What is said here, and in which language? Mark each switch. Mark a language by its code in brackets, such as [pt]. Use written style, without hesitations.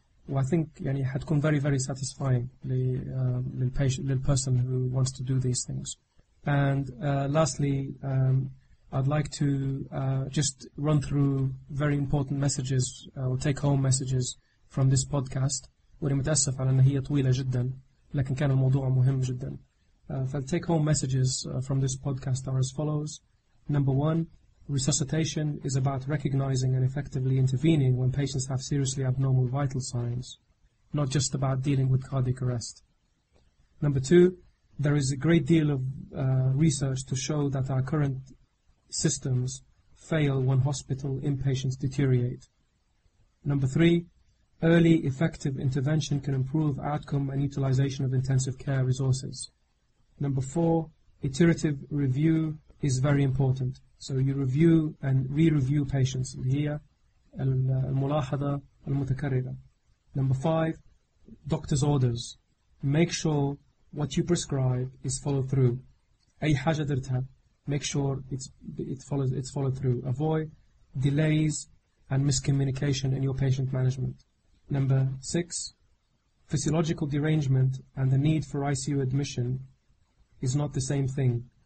[en] Well, I think [ar] يعني حتكون [en] very very satisfying للpatient للperson who wants to do these things. And lastly, I'd like to just run through very important messages or take home messages from this podcast. [ar] ولي متأسف على أن هي طويلة جدا لكن كان الموضوع مهم جدا. [en] The take home messages from this podcast are as follows. Number one, resuscitation is about recognizing and effectively intervening when patients have seriously abnormal vital signs, not just about dealing with cardiac arrest. Number two, there is a great deal of research to show that our current systems fail when hospital inpatients deteriorate. Number three, early effective intervention can improve outcome and utilization of intensive care resources. Number four, iterative review is very important. So you review and re-review patients. [ar] Here, الملاحظة المتكررة. [en] Number five, doctor's orders. Make sure what you prescribe is followed through. [ar] أي حاجة درتها, [en] make sure it's followed through. Avoid delays and miscommunication in your patient management. Number six, physiological derangement and the need for ICU admission is not the same thing.